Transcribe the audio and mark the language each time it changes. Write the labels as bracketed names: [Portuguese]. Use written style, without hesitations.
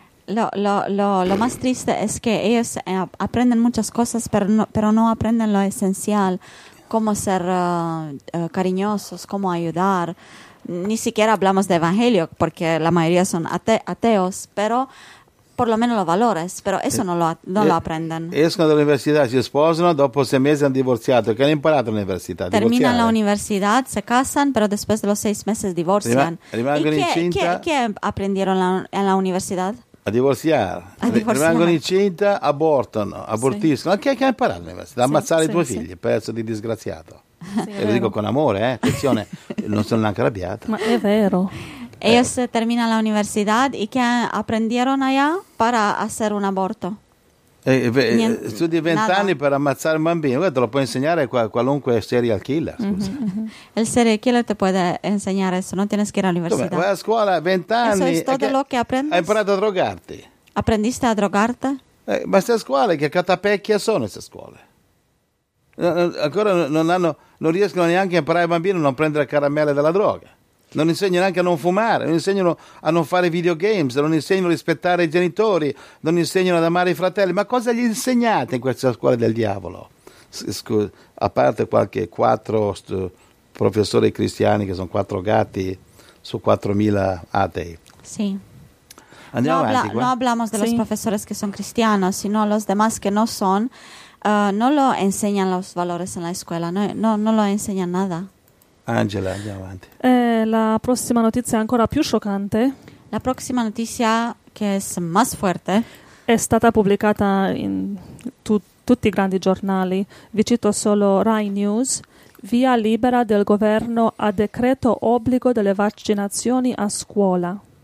[Spanish] Lo más triste es que ellos aprenden muchas cosas, pero no aprenden lo esencial, cómo ser cariñosos, cómo ayudar. Ni siquiera hablamos de Evangelio, porque la mayoría son ateos, pero por lo menos los valores, pero eso no lo aprenden. [Italian] Escono dall'università, si sposano, dopo 6 mesi hanno divorziato. [Spanish] ¿Qué han [Italian] imparato all'università? [Spanish] Terminan la universidad, se casan, pero después de los 6 meses divorcian. [Italian] Rimangono incinta. [Spanish] ¿Qué aprendieron en la universidad? [Italian] A divorziare. Rimangono incinta, abortiscono. Sì. Che hai imparato all'università? Ammazzare i tuoi figli, pezzo di disgraziato. Sì, e lo dico con amore, attenzione, non sono neanche arrabbiata. Ma è vero. [Spanish] Ellos terminan la universidad y ¿qué aprendieron allá para hacer un aborto? [Italian] Studi 20 anni per ammazzare un bambino, te lo può insegnare qualunque serial killer. Il serial killer [Spanish] te puede enseñar eso, non tienes que ir a l'università. [Italian] Vai a scuola 20 anni. [Spanish] Eso es todo lo que aprendes. [Italian] Hai imparato a drogarti. [Spanish] Aprendiste a drogarte? [Italian] Ma queste scuole, che catapecchie sono queste scuole? Ancora non riescono neanche a imparare ai bambini a non prendere caramelle dalla droga. Non insegnano neanche a non fumare, non insegnano a non fare videogames, non insegnano a rispettare i genitori, non insegnano ad amare i fratelli. Ma cosa gli insegnate in questa scuola del diavolo? A parte qualche 4 professori cristiani che sono 4 gatti su 4.000 atei. Sì. Andiamo no, avanti. [Spanish] No hablamos de los profesores que son cristianos, sino los demás que no son. No lo enseñan los valores en la escuela, no lo enseñan nada. [Italian] Angela, andiamo avanti. La prossima notizia è ancora più scioccante. La prossima notizia, che è [Spanish] más fuerte, [Italian] è stata pubblicata in tutti i grandi giornali. Vi cito solo Rai News. Via libera del governo a decreto obbligo delle vaccinazioni a scuola.